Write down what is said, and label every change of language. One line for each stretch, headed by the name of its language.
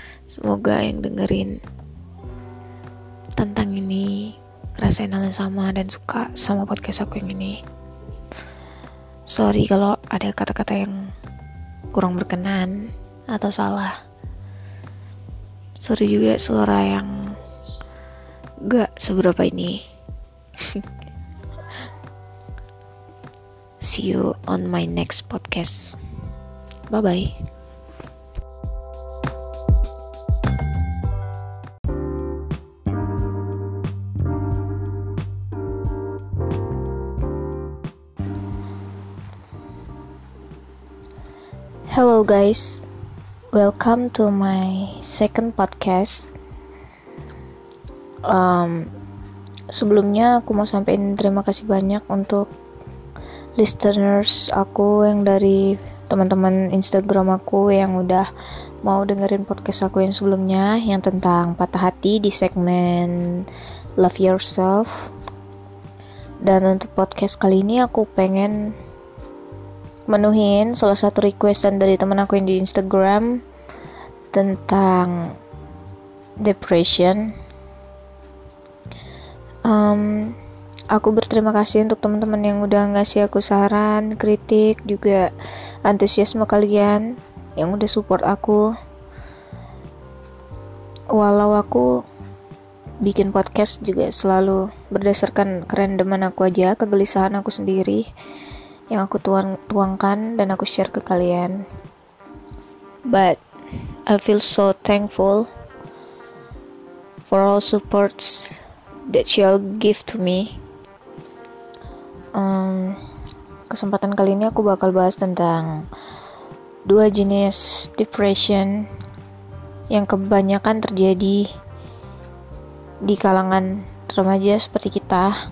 Indonesian: Semoga yang dengerin tentang ini ngerasain hal yang sama dan suka sama podcast aku yang ini. Sorry kalau ada kata-kata yang kurang berkenan atau salah. Sorry juga suara yang gak seberapa ini.
English: See you on my next podcast. Bye-bye. Hello guys, welcome to my second podcast.
Indonesian: Sebelumnya aku mau sampaikan terima kasih banyak untuk listeners aku yang dari teman-teman Instagram aku yang udah mau dengerin podcast aku yang sebelumnya yang tentang patah hati di segmen Love Yourself. Dan untuk podcast kali ini aku pengen menuhin salah satu requestan dari teman aku yang di Instagram tentang depression. Aku berterima kasih untuk teman-teman yang udah ngasih aku saran, kritik, juga antusiasme kalian yang udah support aku. Walau aku bikin podcast juga selalu berdasarkan kerandoman aku aja, kegelisahan aku sendiri yang aku tuangkan dan aku share ke kalian.
English: But I feel so thankful for all supports that y'all give to me.
Indonesian: Kesempatan kali ini aku bakal bahas tentang dua jenis depression yang kebanyakan terjadi di kalangan remaja seperti kita.